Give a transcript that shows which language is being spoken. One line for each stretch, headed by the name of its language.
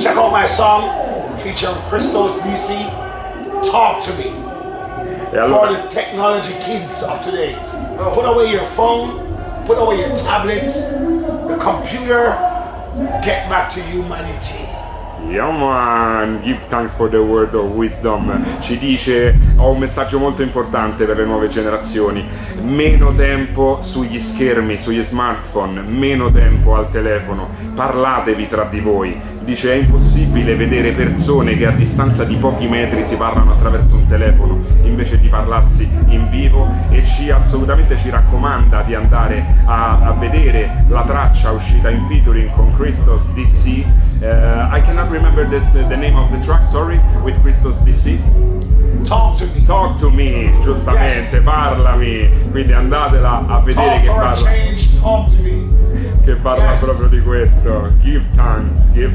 English: Check out my song featuring Christos DC. Talk to me. Yeah, for the technology kids of today. Oh. Put away your phone, put away your tablets, the computer. Get back to humanity. Yeah, man, give thanks for the word of wisdom.
Italian: Ci dice, ho un messaggio molto importante per le nuove generazioni. Meno tempo sugli schermi, sugli smartphone, meno tempo al telefono. Parlatevi tra di voi. Dice, è impossibile vedere persone che a distanza di pochi metri si parlano attraverso un telefono invece di parlarsi in vivo, e ci assolutamente ci raccomanda di andare a vedere la traccia uscita in featuring con Christos DC.
English: I cannot remember this, the name of the track, sorry, with Christos DC. Talk to me,
Italian: giustamente, yes. Parlami, quindi andatela a vedere
English: talk
Italian: che parla.
English: Change, talk to me.
Italian: Che parla
English: yes.
Italian: proprio di questo.
English: Give thanks, give